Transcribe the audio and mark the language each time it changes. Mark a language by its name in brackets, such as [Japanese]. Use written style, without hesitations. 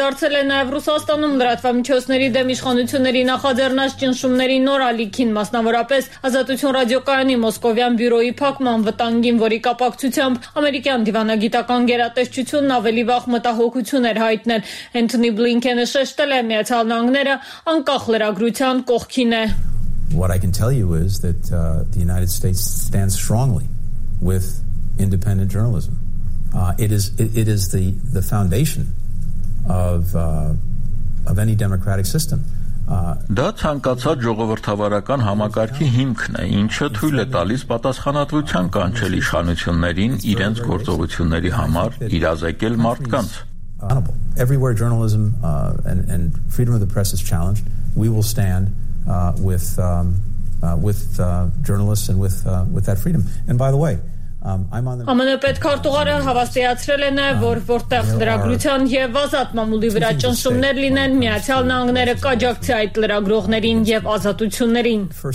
[Armenian] Դարձել է նաև Ռուսաստանում լրատվամիջոցների դեմ իշխանությունների նախաձեռնած ճնշումների նոր ալիքին, մասնավորապես Ազատություն ռադիոկայանի Մոսկովյան բյուրոյի փակման վտանգին, որի կապակցությամբ ամերիկյան դիվանագիտական գերատեսչությունն ավելի վաղ մտահոգություն էր հայտնել։ Էնթոնի Բլինքենը շեշտել է, Միացյալ Նահանգները անկախ լրագրության կողքին է։ [English] What I can tell you is that the United States stands strongly with independent journalism. It is the foundation of any democratic system. [Armenian] Դա ցանկացած ժողովրդավարական համակարգի հիմքն է, ինչը թույլ է տալիս պատասխանատվության կանչել իշխանություններին իրենց գործողությունների համար, իրազեկել մարդկանց։ [English] Everywhere journalism and freedom of the press is challenged, we will stand with journalists and with that freedom. And by the way, [Armenian] ԱՄՆ պետքարտուղարը հավաստիացրել է նաև, որ որտեղ լրագրության եւ ազատ մամուլի վրա ճնշումներ լինեն, Միացյալ Նահանգները կաջակցի այդ լրագրողներին եւ ազատություններին։